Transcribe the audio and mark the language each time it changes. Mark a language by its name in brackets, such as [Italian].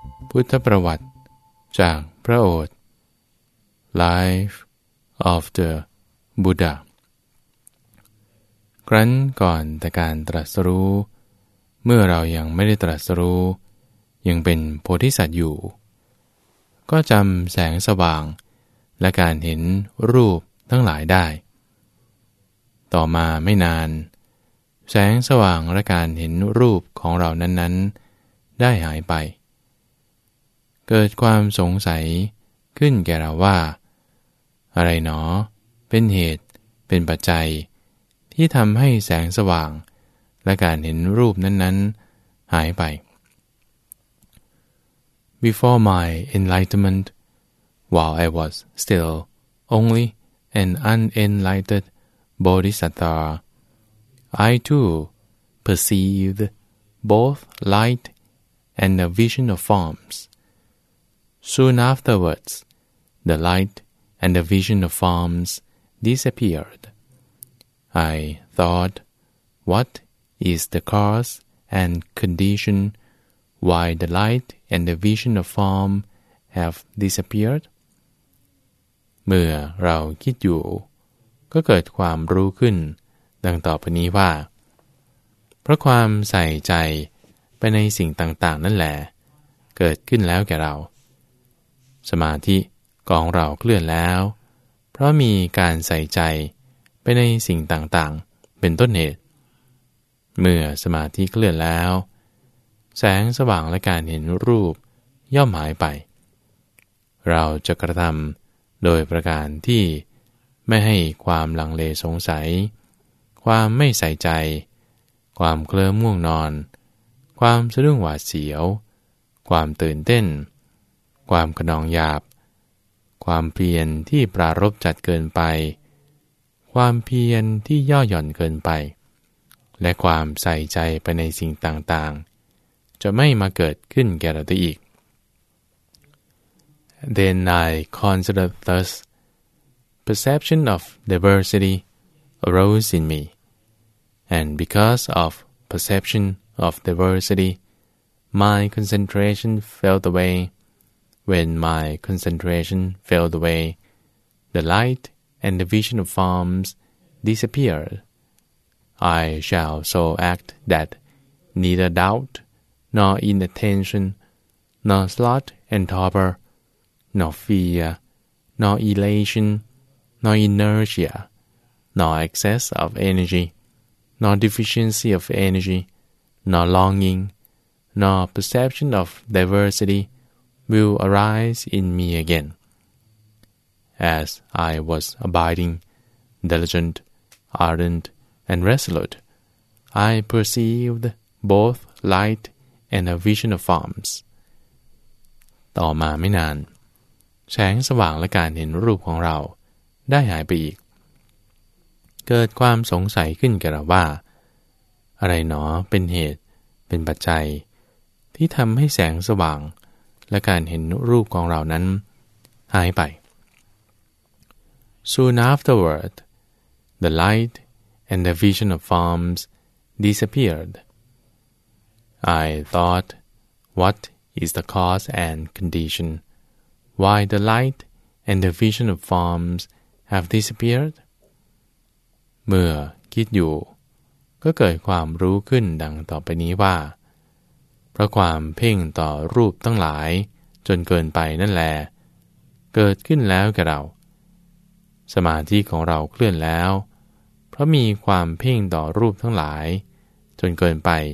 [Thai] พุทธประวัติจากพระโอษฐ์ [English] Life of the Buddha [Thai] ครั้นก่อนแต่การตรัสรู้เมื่อเรายังไม่ได้ตรัสรู้ยังเป็นโพธิสัตว์อยู่ก็จำแสงสว่างและการเห็นรูปทั้งหลายได้ต่อมาไม่นานแสงสว่างและการเห็นรูปของเรานั้นๆได้หายไป เกิดความสงสัยขึ้นแก่เราว่าอะไรหนอเป็นเหตุเป็นปัจจัยที่ทำให้แสงสว่างและการเห็นรูปนั้นๆหายไป [English] Before my enlightenment, while I was still only an unenlightened bodhisattva, I too perceived both light and a vision of forms. Soon afterwards, the light and the vision of forms disappeared. I thought, what is the cause and condition why the light and the vision of form have disappeared? [Thai] เมื่อเราคิดอยู่ก็เกิดความรู้ขึ้นดังต่อไปนี้ว่าเพราะความใส่ใจไปในสิ่งต่างๆนั่นแหละเกิดขึ้นแล้วแก่เราสมาธิของเราเคลื่อนแล้วเพราะมีการใส่ใจไปในสิ่งต่างๆเป็นต้นเหตุเมื่อสมาธิเคลื่อนแล้วแสงสว่างและการเห็นรูปย่อมหายไป เราจะกระทำโดยประการที่ไม่ให้ความลังเลสงสัยความไม่ใส่ใจความเคลิ้มง่วงนอนความสะดุ้งหวาดเสียวความตื่นเต้นความขนองหยาบความเพียรที่ปรารภจัดเกินไปความเพียรที่ย่อหย่อนเกินไปและความใส่ใจไปในสิ่งต่างๆจะไม่มาเกิดขึ้นแก่เราอีก [English] Then I considered thus, perception of diversity arose in me, and because of perception of diversity, my concentration failed away. When my concentration failed away, the lightand the vision of forms disappeared. I shall so act that neither doubt, nor inattention, nor sloth and torpor, nor fear, nor elation, nor inertia, nor excess of energy, nor deficiency of energy, nor longing, nor perception of diversity will arise in me again. As I was abiding, diligent, ardent, and resolute, I perceived both light and a vision of forms. [Thai] ต่อมาไม่นานแสงสว่างและการเห็นรูปของเราได้หายไปอีกเกิดความสงสัยขึ้นแก่เราว่าอะไรหนอเป็นเหตุเป็นปัจจัยที่ทำให้แสงสว่างและการเห็นรูปของเรานั้นหายไป [English] Soon afterward, the light and the vision of forms disappeared. I thought, what is the cause and condition? Why the light and the vision of forms have disappeared? [Thai] เมื่อคิดอยู่ก็เกิดความรู้ขึ้นดังต่อไปนี้ว่าเพราะความเพ่งต่อรูปทั้งหลายจนเกินไปนั่นแหละเกิดขึ้นแล้วแก่เราสมาธิของเราเคลื่อนแล้วเพราะมีความเพ่งต่อรูปทั้งหลายจนเกินไป